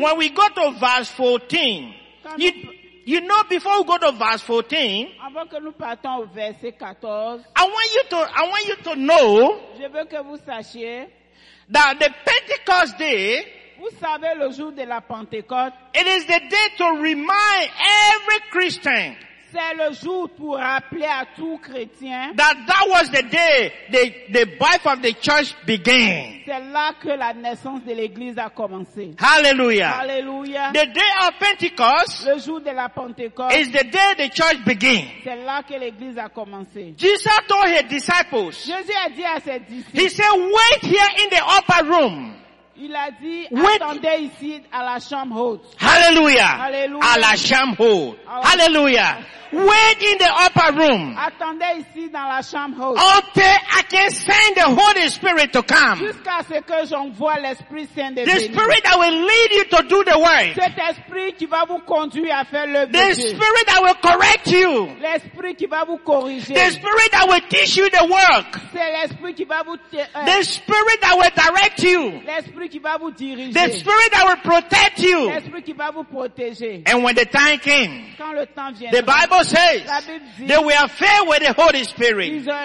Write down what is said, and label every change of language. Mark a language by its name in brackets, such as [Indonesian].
[English] When we go to verse 14, you know, before we go to verse 14, [French] avant que nous partons au verset 14, [English] I want you to know, [French] je veux que vous sachiez, [English] that the Pentecost day, [French] vous savez, le jour de la Pentecôte, [English] it is the day to remind every Christian, [French] c'est le jour pour rappeler à tout chrétien, [English] that was the day the birth of the church began. [French] C'est là que la naissance de l'église a commencé. [English] Hallelujah. Hallelujah. The day of Pentecost, [French] le jour de la Pentecôte, [English] is the day the church began. [French] C'est là que l'église a commencé. [English] Jesus told his disciples, [French] Jésus a dit à ses disciples, [English] he said, wait here in the upper room. [French] Il a dit, [English] wait. [French] Attendez ici à la chambre haute. [English] Hallelujah. Hallelujah. [French] À la chambre haute. [English] Hallelujah. Wait in the upper room. [French] Attendez ici dans la chambre haute. [English] Until I can send the Holy Spirit to come. [French] Jusqu'à ce que j'envoie l'Esprit Saint de venir. [English] The Spirit that will lead you to do the work. [French] Cet Esprit qui va vous conduire à faire le bien. [English] The Spirit that will correct you. [French] L'Esprit qui va vous corriger. [English] The Spirit that will teach you the work. [French] C'est l'Esprit qui va vous [English] The Spirit that will direct you. [French] L'Esprit qui va vous diriger. [English] The Spirit that will protect you. [French] L'Esprit qui va vous protéger. [English] And when the time came. [French] Quand le temps vient. [English] The Bible says they were filled with the Holy Spirit.